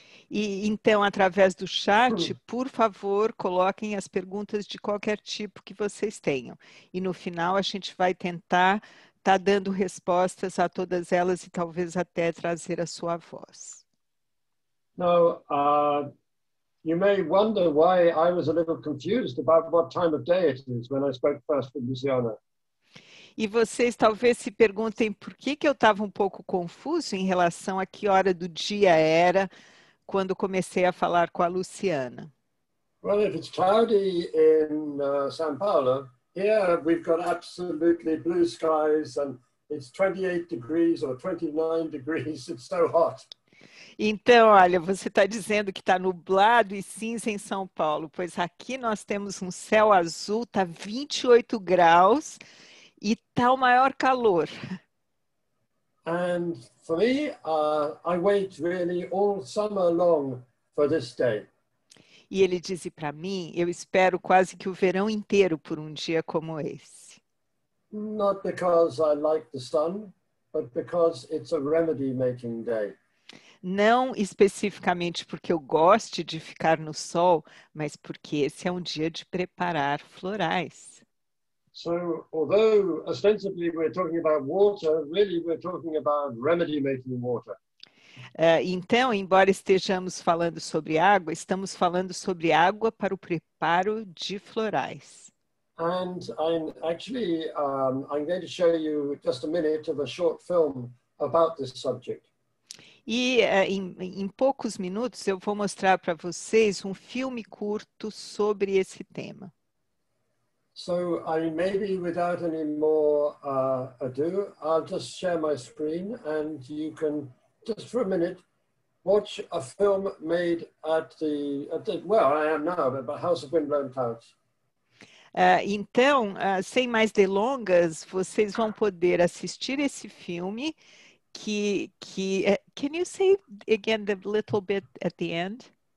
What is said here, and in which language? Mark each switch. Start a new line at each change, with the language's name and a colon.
Portuguese: E então, através do chat, por favor, coloquem as perguntas de qualquer tipo que vocês tenham. E no final, a gente vai tentar estar dando respostas a todas elas e talvez até trazer a sua voz.
English: Now, you may wonder why I was a little confused about what time of day it is when I spoke first with Luciana.
Portuguese: E vocês talvez se perguntem por que que eu estava um pouco confuso em relação a que hora do dia era quando comecei a falar com a Luciana.
English: Well, if it's cloudy in São Paulo, here we've got absolutely blue skies and it's 28 degrees or 29 degrees, it's so hot.
Portuguese: Então, olha, você está dizendo que está nublado e cinza em São Paulo, pois aqui nós temos um céu azul, está 28 graus e está o maior calor.
English: And for me, I wait really all summer long for this day.
Portuguese: E ele disse para mim, eu espero quase que o verão inteiro por um dia como esse.
English: Not because I like the sun, but because it's a remedy-making day.
Portuguese: Não especificamente porque eu goste de ficar no sol, mas porque esse é um dia de preparar florais.
English: So, although ostensibly we're talking about water, really we're talking about remedy-making water.
Portuguese: Então, embora estejamos falando sobre água, estamos falando sobre água para o preparo de florais.
English: And I'm going to show you just a minute of a short film about this subject.
Portuguese: E em poucos minutos eu vou mostrar para vocês um filme curto sobre esse tema.
English: So, maybe without any more ado, I'll just share my screen and you can just for a minute watch a film made I am now, but House of Windblown Clouds.
Portuguese: Então, sem mais delongas, vocês vão poder assistir esse filme.
English: Can you say again the little bit at the end?